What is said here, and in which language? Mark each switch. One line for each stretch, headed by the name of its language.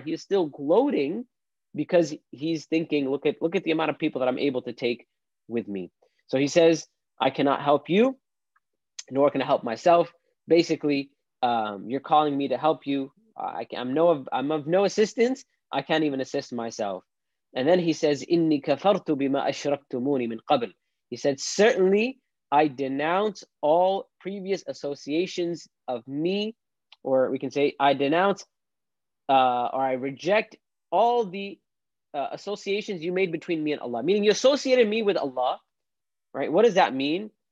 English: He is still gloating because he's thinking, look at the amount of people that I'm able to take with me. So he says, I cannot help you, nor can I help myself. Basically, you're calling me to help you. I'm of no assistance. I can't even assist myself. And then he says,
Arabic: إِنِّي كَفَرْتُ بِمَا أَشْرَكْتُمُونِي مِنْ قَبْلِ.
English: He said, certainly, I denounce all previous associations of me, or we can say, I denounce or I reject all the associations you made between me and Allah. Meaning you associated me with Allah, right? What does that mean?